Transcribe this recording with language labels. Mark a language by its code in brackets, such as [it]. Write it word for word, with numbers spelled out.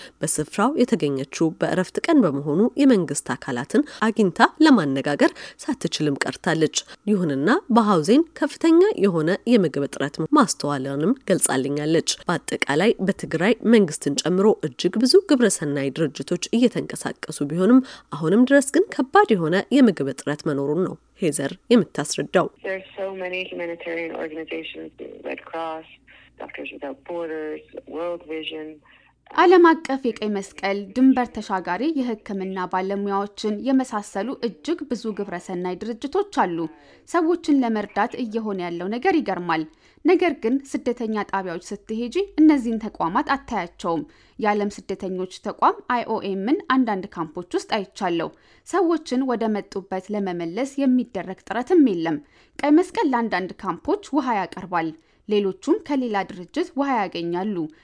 [am] በስፍራው የተገኘችው በእረፍት ቀን በመሆኑ የመንግስት አካላትን አግኝታ ለማነጋገር ሳትችልም ቀርታለች። ይሁንና በሐውዜን ከፍተኛ የሆነ የምግብ እጥረት ማስተዋልንም ገልጻልኛለች። በአጠቃላይ በትግራይ መንግስትን ጨምሮ እጅግ ብዙ ግብረሰናይ ድርጅቶች እየተንቀሳቀሱ ቢሆንም አሁንም ድረስ ግን ከባድ የሆነ የምግብ እጥረት መኖሩን ነው ሄዘር የምታስረዳው። [en] There's so many humanitarian organizations, Red Cross, Doctors Without Borders, World Vision. [am] ዓለም አቀፍ የቀይ መስቀል፣ ድንበር ተሻጋሪ የሕክምና ባለሙያዎችን የመሳሰሉ እጅግ ብዙ ግብረሰናይ ድርጅቶች አሉ። ሰዎችን ለመርዳት እየሆነ ያለው ነገር ይገርማል። ነገር ግን ስደተኛ ጣቢያዎች ስትሄጂ እነዚህን ተቋማት አታያቸውም። የዓለም ስደተኞች ተቋም አይኦኤምን አንዳንድ ካምፖች ውስጥ አይቻለሁ። ሰዎችን ወደ መጡበት ለመመለስ የሚደረግ ጥረትም የለም። ቀይ መስቀል ለአንዳንድ ካምፖች ውሃ ያቀርባል። ሌሎቹም ከሌላ ድርጅት ውሃ ያገኛሉ።